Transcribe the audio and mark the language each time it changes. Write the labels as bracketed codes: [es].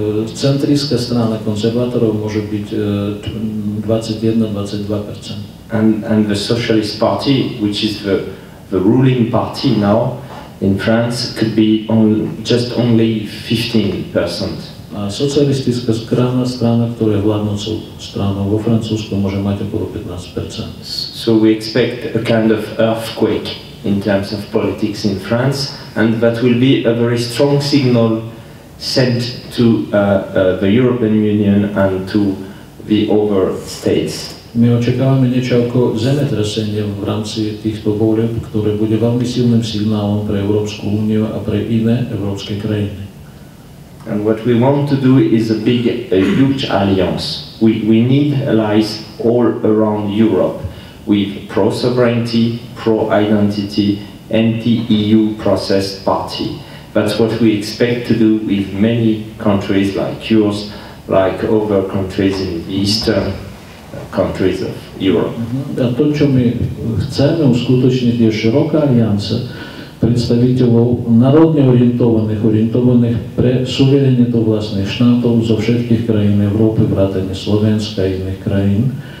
[sk] Centristská strana konzervátorov môže byť 21-22%. [en] And the Socialist Party, which is the ruling party now, in France could be only just only 15%. [sk] A socialistická strana, strana, ktorá je vládnúcou stranou vo Francúzsku, môže mať okolo 15%. [en] So we expect a kind of earthquake in terms of politics in France, and that will be a very strong signal sent to the European Union and to the other states. [sk] My očakávame niečo ako zemetrasenie v rámci týchto volieb, ktoré bude veľmi silným signálom pre Európsku úniu a pre iné európske krajiny. [en] And what we want to do is a big, a huge alliance. We need allies all around Europe with pro-sovereignty, pro-identity, anti-EU process party. That's what we expect to do with many countries like yours, like other countries in the eastern countries of Europe. [sk] A to, čo my chceme uskutočniť, je široká aliancia predstaviteľov národne orientovaných, orientovaných pre suverenitu vlastných štátov zo všetkých krajín Európy, vrátane Slovenska a iných krajín.